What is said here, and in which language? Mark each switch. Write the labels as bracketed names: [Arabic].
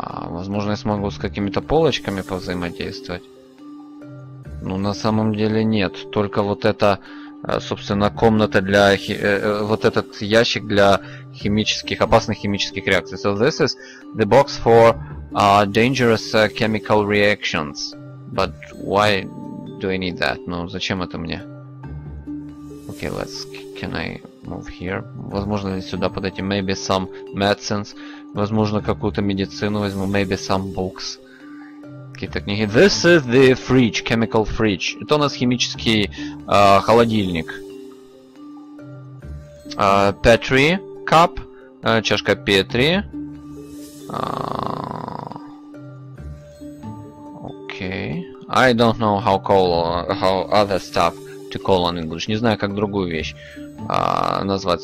[Russian] Возможно, я смогу с какими-то полочками повзаимодействовать. Ну, на самом деле нет. Только вот это... Собственно, комната для... вот этот ящик для химических, опасных химических реакций. [English] So this is the box for dangerous chemical reactions. But why do I need that? [Russian] Ну, зачем это мне? [English] Okay, let's... Can I move here? [Russian] Возможно, сюда подойти. [English] Maybe some medicines. [Russian] Возможно, какую-то медицину возьму. [English] Maybe some books. [Russian] Какие-то книги. [English] This is the fridge, chemical fridge. [Russian] Это у нас химический холодильник. [English] Petri cup, [Russian] чашка Петри. [English] Okay. I don't know how call how other stuff to call on English. [Russian] Не знаю, как другую вещь назвать.